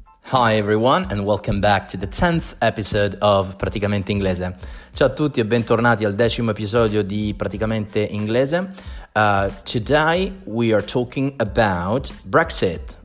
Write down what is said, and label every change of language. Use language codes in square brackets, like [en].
[en] Hi everyone and welcome back to the 10th episode of Praticamente Inglese. [it] Ciao a tutti e bentornati al 10° episodio di Praticamente Inglese. [en] Today we are talking about Brexit.